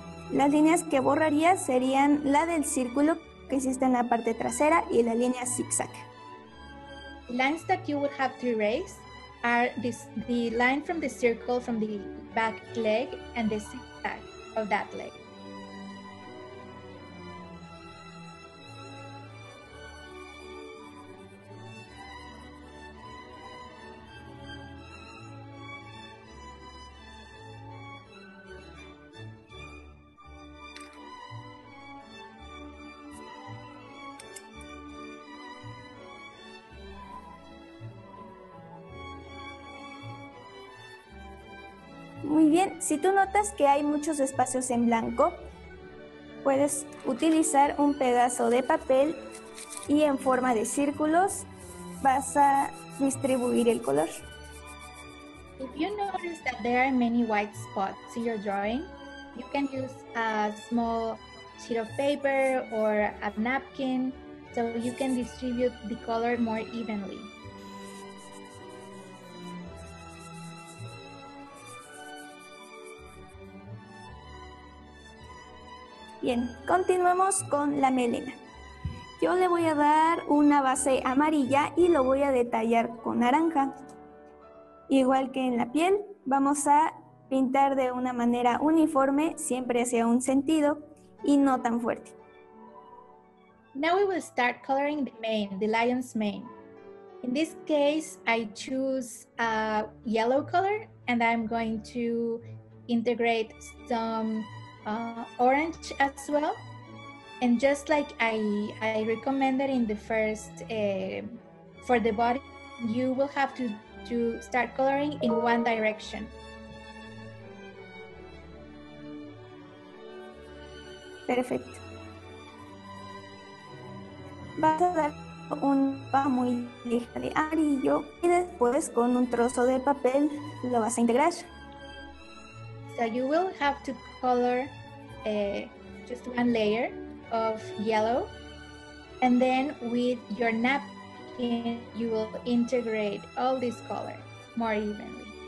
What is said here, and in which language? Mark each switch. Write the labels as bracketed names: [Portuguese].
[Spanish] Las líneas que borrarías serían la del círculo que hiciste en la parte trasera y la línea zigzag. [English] The lines that you would have to erase are the line from the circle from the back leg and the zigzag of that leg. [Spanish] Muy bien, si tú notas que hay muchos espacios en blanco, puedes utilizar un pedazo de papel y en forma de círculos vas a distribuir el color. [English] If you notice that there are many white spots in your drawing, you can use a small sheet of paper or a napkin so you can distribute the color more evenly. [Spanish] Bien, continuamos con la melena. Yo le voy a dar una base amarilla y lo voy a detallar con naranja. Igual que en la piel, vamos a pintar de una manera uniforme, siempre hacia un sentido y no tan fuerte. [English] Now we will start coloring the mane, the lion's mane. In this case, I choose a yellow color and I'm going to integrate some orange as well, and just like I recommended in the first for the body, you will have to start coloring in one direction. [Spanish] Perfecto. Vas a dar un paso muy ligero de amarillo y después con un trozo de papel lo vas a integrar. [English] So you will have to color just one layer of yellow, and then with your napkin you will integrate all this color more evenly.